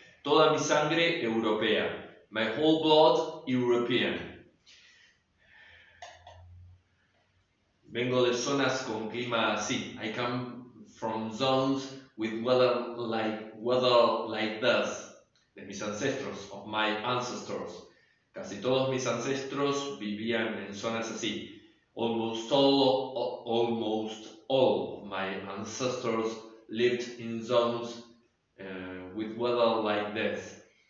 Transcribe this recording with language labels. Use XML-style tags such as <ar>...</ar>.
<es>Toda mi sangre europea.</es> <en>My whole blood European.</en> <es>Vengo de zonas con clima así.</es> <en>I come from zones with weather like this.</en> <es>De mis ancestros,</es> <en>of my ancestors.</en> <es>Casi todos mis ancestros vivían en zonas así.</es> <en>Almost all of my ancestors lived in zones with weather like this.</en>